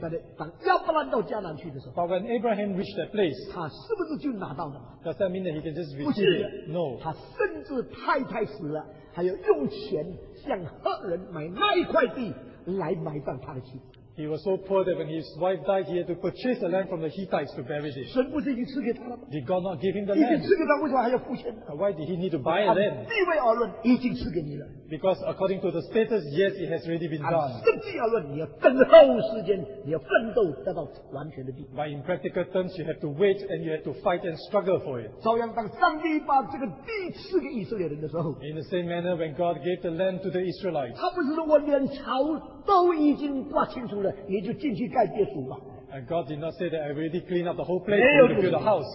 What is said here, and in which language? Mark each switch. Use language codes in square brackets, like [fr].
[en] But when Abraham reached that place, does that mean that he can just receive it? No. He was so poor that when his wife died, he had to purchase the land from the Hittites to bury it. [zh] 神不是已经赐给他了吗? [en] Did God not give him the land? [zh] 已经赐给他，为什么还要付钱呢? [en] Why did he need to buy a land? [zh] 地位而论已经赐给你了。 [en] Because according to the status, yes, it has already been done. [zh] 实际而论，你要等候时间，你要奋斗得到完全的地位。 [en] But in practical terms, you have to wait and you have to fight and struggle for it. [zh] 照样，当上帝把这个地赐给以色列人的时候， [en] in the same manner, when God gave the land to the Israelites, [zh] 他不是说我连朝都已经挂清楚了，你就进去盖别墅了。 [en] And God did not say that I already cleaned up the whole place to build a house.